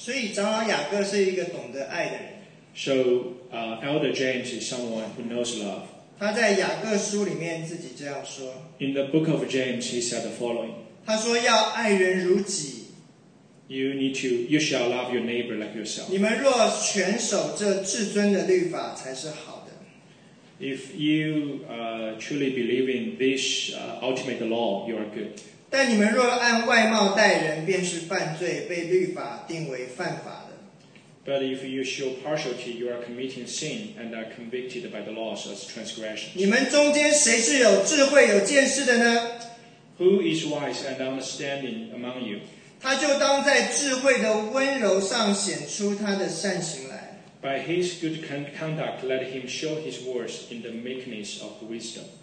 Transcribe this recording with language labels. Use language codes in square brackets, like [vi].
[zh] 所以长老雅各是一个懂得爱的人。 [en] So Elder James is someone who knows love. [zh] 他在雅各书里面自己这样说。 [en] In the book of James, he said the following. [zh] 他说要爱人如己。 [en] You shall love your neighbor like yourself. [zh] 你们若全守这至尊的律法才是好的。 [en] If you truly believe in this ultimate law, you are good. [zh] 但你们若按外貌待人便是犯罪，被律法定为犯法的。 [en] But if you show partiality, you are committing sin and are convicted by the laws as transgressions. [zh] 你们中间谁是有智慧有见识的呢？ [en] Who is wise and understanding among you? [zh] 他就当在智慧的温柔上显出他的善行来。 [en] By his good conduct, let him show his words in the meekness of wisdom.